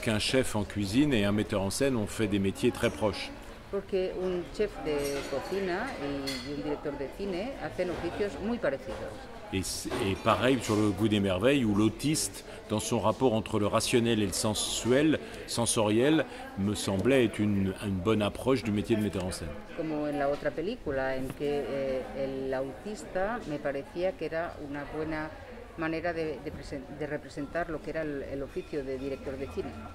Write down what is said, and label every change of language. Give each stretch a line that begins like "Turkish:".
French: qu'un chef en cuisine et un metteur en scène ont fait des métiers très proches.
Spanish: Porque un chef de cocina y un director de cine hacen oficios muy parecidos.
French: Et pareil sur Le Goût des Merveilles, où l'autiste, dans son rapport entre le rationnel et le sensuel, sensoriel, me semblait être une bonne approche du métier de metteur en scène. Comme
Spanish: en la otra película, en que el autista me parecía que era una buena manera de representar lo que era el oficio de director de cine.